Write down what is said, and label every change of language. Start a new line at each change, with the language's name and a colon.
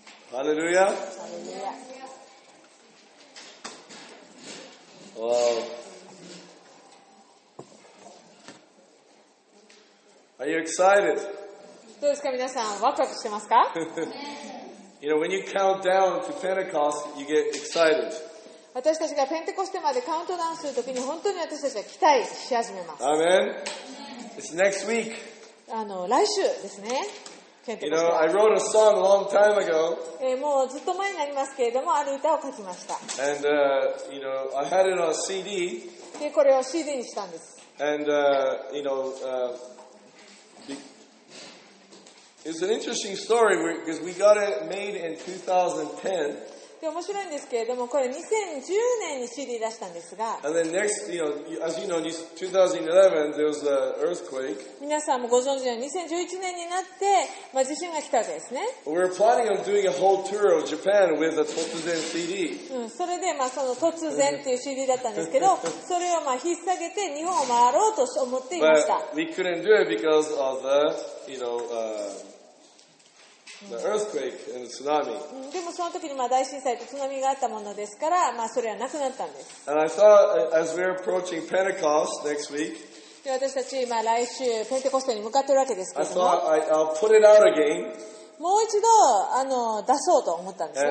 English: Hallelujah. Wow. Are you excited?
Japanese: どうですか皆さん、ワクワクしてますか?
English: You know, when you count down to Pentecost, you get excited.
Japanese: 私たちがペンテコステまでカウントダウンするときに本当に私たちは期待し始めます。
English: Amen. It's next week.
Japanese: 来週ですね。
English: You know, I wrote a song a long time ago.
Japanese: もうずっと前になりますけれども、ある歌を書きました。
English: And, you know, I had it on CD.
Japanese: で、これを CD にしたんです。
English: And, you know, it's an interesting story because we got it made in 2010.
Japanese: で、面白いんですけれども、これ2010年に CD 出したんですが。
English: And then next, you know, as you know, 2011, there was an earthquake.
Japanese: 皆さんもご存知のように2011年になって、まあ、地震が来たわけですね。
English: We were planning on doing a whole tour of Japan with a 突然 CD.
Japanese: うん、それで、まあ、その突然っていう CD だったんですけど、それをまあ引っ提げて日本を回ろうと思っていました。
English: But we couldn't do it because of the, you know, the earthquake and the tsunami.
Japanese: でもその時にまあ大震災と津波があったものですから、まあ、それはなくなったんです。
English: And I thought, as we're approaching Pentecost next week,
Japanese: で私たち、まあ、来週ペンテコステに向かっているわけですけども
English: I'll put it out again.
Japanese: もう一度出そうと思ったんですね。